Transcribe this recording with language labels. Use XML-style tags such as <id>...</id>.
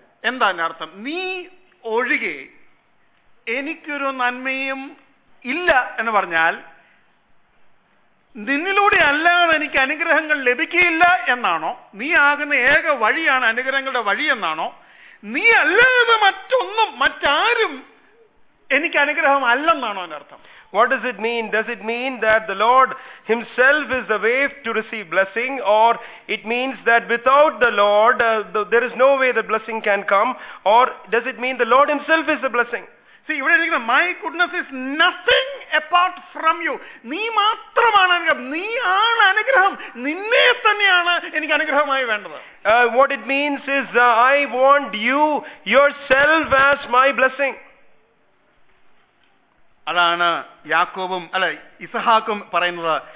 <ml>എന്താ അതിന്റെ അർത്ഥം? നീ ഒഴികെ എനിക്കൊരു നന്മയും ഇല്ല എന്ന് പറഞ്ഞാൽ, നിന്നിലൂടെ അല്ലാതെ എനിക്ക് അനുഗ്രഹങ്ങൾ ലഭിക്കുകയില്ല എന്നാണോ? നീ ആകുന്ന ഏക വഴിയാണ് അനുഗ്രഹങ്ങളുടെ വഴി എന്നാണോ? നീ അല്ലാതെ മറ്റൊന്നും മറ്റാരും എനിക്ക് അനുഗ്രഹം അല്ലെന്നാണോ അതിന്റെ അർത്ഥം?</ml> <en>What does it mean? Does it mean that the Lord himself is the way to receive blessing, or it means that without the Lord there is no way the blessing can come, or does it mean the Lord himself is the blessing?</en> <ml>See, ഇവിടെ ഇരിക്കുന്ന</ml> <en>my goodness is nothing apart from you.</en> <ml>നീ മാത്രമാണ് അനുഗ്രഹം, നീ ആണ് അനുഗ്രഹം, നിന്നെ തന്നെയാണ് എനിക്ക് അനുഗ്രഹമായി വേണ്ടത്.</ml> <en>What it means is I want you yourself as my blessing.</en> <ml>അതാണ് യാക്കോബും അല്ല ഇസഹാക്കും പറയുന്നത്.</ml>